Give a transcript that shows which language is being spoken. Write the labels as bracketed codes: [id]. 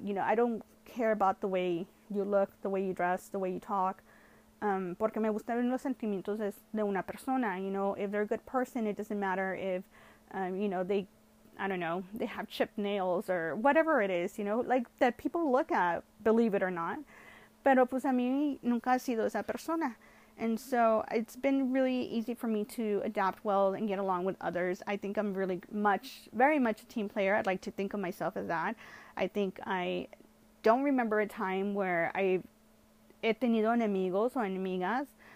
[en] You know, I don't care about the way you look, the way you dress, the way you talk. [es] Porque me gusta ver los sentimientos de una persona. [en] You know, if they're a good person, it doesn't matter if, you know, they have chipped nails or whatever it is, you know, like that people look at, believe it or not. [es] Pero pues a mí nunca ha sido esa persona. [en] And so it's been really easy for me to adapt well and get along with others. I think I'm really much, very much a team player. I'd like to think of myself as that. I think I don't remember a time where [es] he tenido enemigos o enemigas.